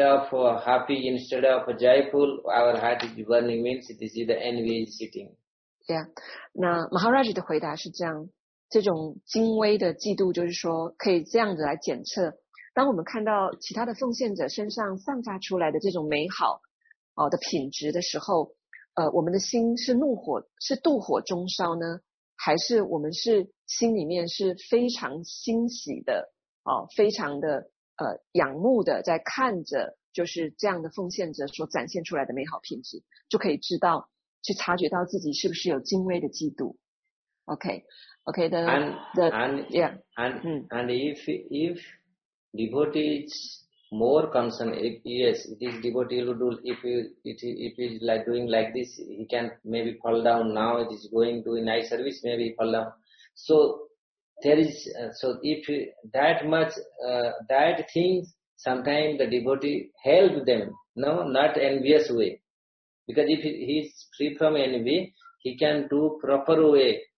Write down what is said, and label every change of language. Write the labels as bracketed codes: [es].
[en] Instead of joyful, our heart is burning, means this is the envy sitting. Yeah. [zh] 那 Maharaj 的回答是这样，这种精微的嫉妒就是说可以这样子来检测，当我们看到其他的奉献者身上散发出来的这种美好的品质的时候，我们的心是怒火，是妒火中烧呢？还是我们是心里面是非常欣喜的，非常的仰慕的，在看着就是这样的奉献者所展现出来的美好品质，就可以知道去察觉到自己是不是有精微的嫉妒。 [en] Okay, then and if devotee is more concerned, yes, it is devotee who do. If he is like doing like this, he can maybe fall down. Now it is going to a nice service, maybe fall down. So there is if that much that things, sometimes the devotee help them, no, not envious way, because if he is free from envy, he can do proper way.